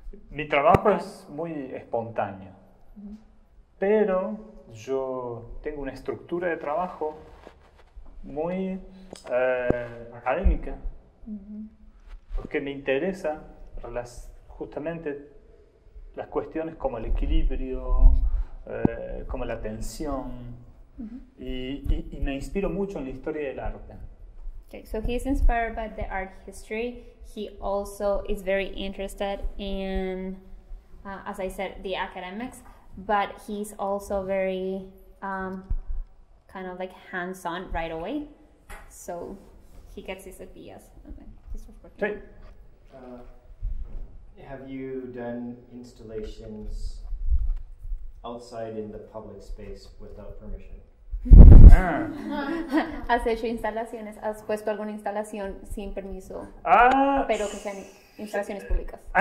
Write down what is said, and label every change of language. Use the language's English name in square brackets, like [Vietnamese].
[Spanish] Mi trabajo es muy espontáneo, pero yo tengo una estructura de trabajo muy académica, porque me interesa justamente las cuestiones como el equilibrio, como la tensión, y me inspiro mucho en la historia del arte. [English] Okay, so he's inspired by the art history. He also is very interested in, as I said, the academics, but he's also very kind of like hands-on right away. So he gets his ideas. Okay. Have you done installations outside in the public space without permission? [Spanish] Has hecho instalaciones, has puesto alguna instalación sin permiso, pero que sean instalaciones públicas.